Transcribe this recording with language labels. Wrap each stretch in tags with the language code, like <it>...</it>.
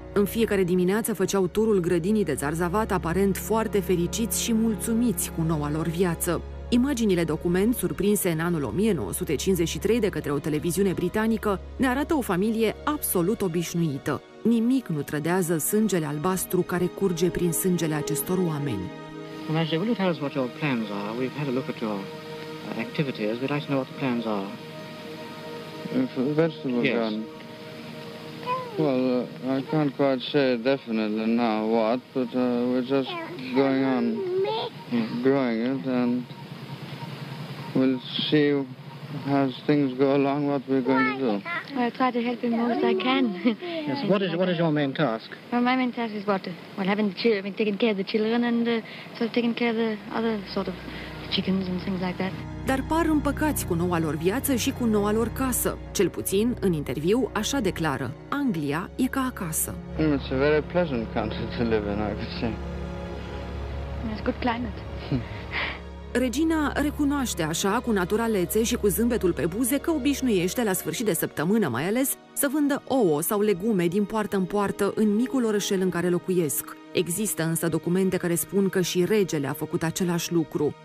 <ro>În fiecare dimineață făceau turul grădinii de zarzavat, aparent foarte fericiți și mulțumiți cu noua lor viață. Imaginile document surprinse în anul 1953 de către o televiziune britanică ne arată o familie absolut obișnuită. Nimic nu trădează sângele albastru care curge prin sângele acestor oameni.</ro> <en>Majesty, will you tell us what your plans are? We've had a look at your activities. We'd like to know what the plans are. For the vegetable garden. Well, I can't quite say definitely now what, but we're just going on growing it and we'll see as things go along what we're going to do. I'll try to help him most I can. Yes, what is your main task? Well, my main task is taking care of the children and sort of taking care of the other sort of chickens and things like that.</en> <ro>Dar par împăcați cu noua lor viață și cu noua lor casă. Cel puțin, în interviu, așa declară: Anglia e ca acasă.</ro> <en>It's a very pleasant country to live in, I could say. It's good climate.</en> <ro>Regina recunoaște așa, cu naturalețe și cu zâmbetul pe buze, că obișnuiește, la sfârșit de săptămână mai ales, să vândă ouă sau legume din poartă în poartă în micul orășel în care locuiesc. Există însă documente care spun că și regele a făcut același lucru.</ro>